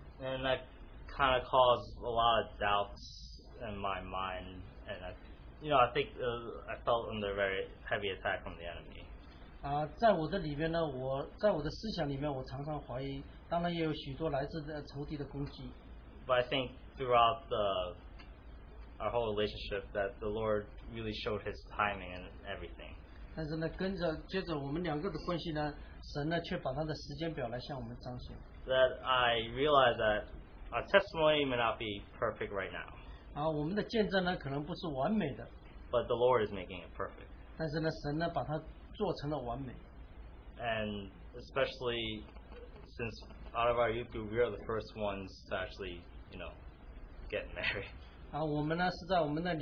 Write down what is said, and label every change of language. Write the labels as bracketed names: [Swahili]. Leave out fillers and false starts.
[English] And that kind of caused a lot of doubts in my mind, and I felt under a very heavy attack from the enemy. [Chinese] 在我的里面呢，我在我的思想里面，我常常怀疑，当然也有许多来自仇敌的攻击。 [English] But I think throughout our whole relationship that the Lord really showed His timing and everything. [Chinese] 但是呢，跟着接着我们两个的关系呢，神呢却把他的时间表来向我们彰显。 [English] That I realize that our testimony may not be perfect right now. [Chinese] 我们的见证呢可能不是完美的。 [English] But the Lord is making it perfect. [Chinese] 但是呢，神呢把他 [English] And especially since out of our youth group, we are the first ones to actually, you know, get married.